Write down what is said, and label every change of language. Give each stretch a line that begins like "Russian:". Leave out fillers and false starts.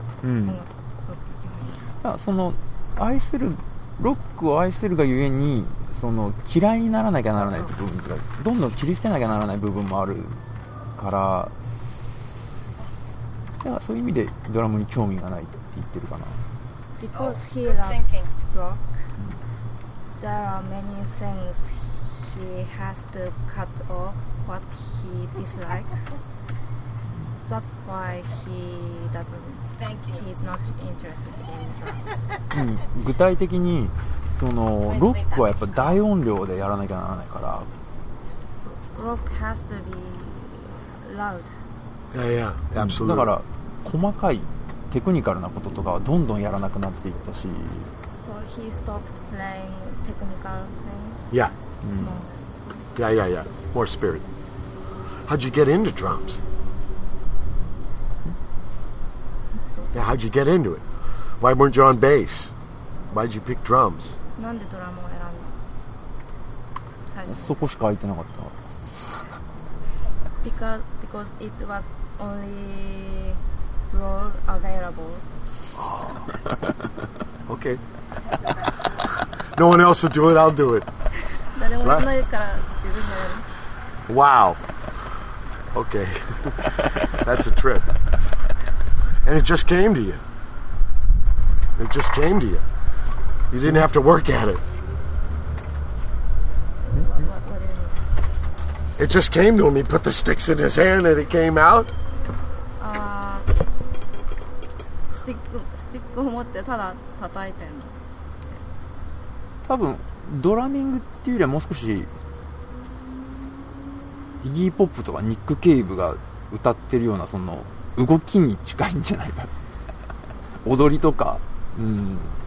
Japanese: うん、その愛するロックを愛するがゆえにその嫌いにならなきゃならない部分とか、どんどん切り捨てなきゃならない部分もあるから、だからそういう意味でドラムに興味がないって言ってるかな。
English: Because he loves rock, there are many things he has to cut off. What he dislike. That's why he doesn't. He's not interested in drums.
Japanese: うん、具体的にそのロックはやっぱ大音量でやらなきゃならないから。
English: Rock has to be loud. Yeah, absolutely.
Japanese: だから細かいテクニカルなこととかはどんどんやらなくなっていったし。
English: So he stopped playing technical things. Yeah. Yeah. More spirit. How'd you get into drums? Yeah, how'd you get into it? Why weren't you on bass? Why'd you pick drums?
Japanese: なんでドラムを選んだ？最初。そこしか空いてなかった。
English: Because it was only role available. Okay. No one else will do it, I'll do it.
Japanese: 誰もいないから自分がやる。
English: Wow. Okay, that's a trip. And it just came to you. It just came to you. You didn't have to work at it. What it just came to him. He put the sticks in his hand and it came out.
Japanese: Stick を持ってただ叩いてんの。多分ドラミングっていうよりはもう少しイギーポップとかニック・ケイブが歌ってるようなその動きに近いんじゃないか踊りとか、うん、